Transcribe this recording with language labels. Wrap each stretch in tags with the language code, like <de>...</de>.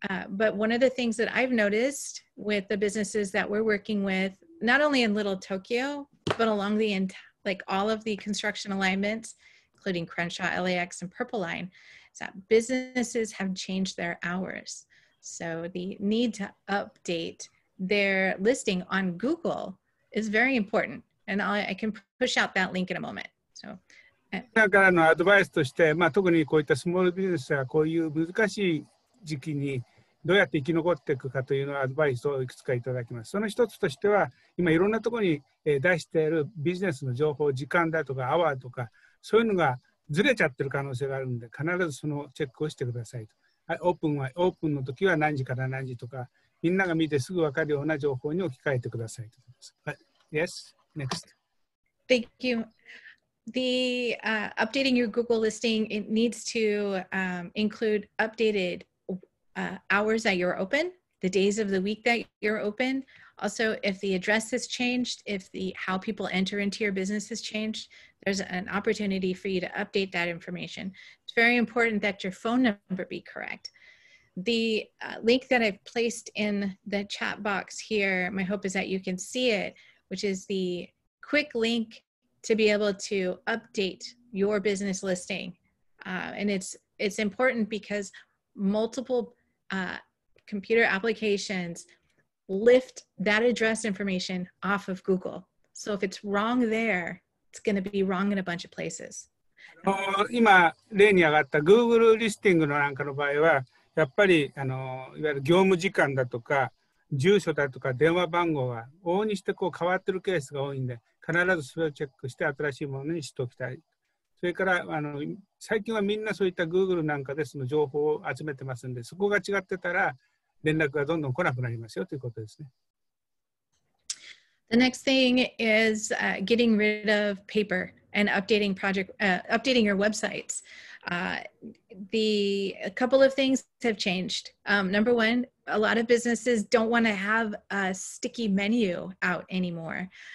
<en>But one of the things that I've noticed with the businesses that we're working with, not only in Little Tokyo, but along the all of the construction alignments, including Crenshaw, LAX, and Purple Line, is that businesses have changed their hours. So the need to update their listing on Google is very important. And I can push out that link in a moment. So.</en> <ja>だからのアドバイスとして、まあ、特にこういったスモールビジネスがこういう難しい時期にどうやって生き残っていくかというのをアドバイスをいくつかいただきます。その一つとしては、今いろんなところに出しているビジネスの情報、時間だとかアワーとか、そういうのがずれちゃってる可能性があるので、必ずそのチェックをしてくださいと。オープンの時は何時から何時とか、みんなが見てすぐ分かるような情報に置き換えてくださいと。</ja> <en>Yes, next. Thank you. The updating your Google listing, it needs to include updated hours that you're open, the days of the week that you're open. Also, if the address has changed, if the how people enter into your business has changed, there's an opportunity for you to update that information. It's very important that your phone number be correct. The link that I've placed in the chat box here, my hope is that you can see it, which is the quick link to be able to update your business listing. And it's important because multiple computer applications lift that address information off of Google. So if it's wrong there, it's gonna be wrong in a bunch of places.</en> <ja>今例に挙がった Google リスティングのなんかの場合は、やっぱりいわゆる業務時間だとか、住所だとか電話番号は往々にしてこう変わってるケースが多いんで、必ずそれをチェックして新しいものにしておきたい。それから最近はみんなそういった Google なんかでその情報を集めてますんで、そこが違ってたら連絡がどんどん来なくなりますよということですね。</ja> <en>The next thing is getting rid of paper and updating your websites. A couple of things have changed. Number one, a lot of businesses don't want to have a sticky menu out anymore.</en>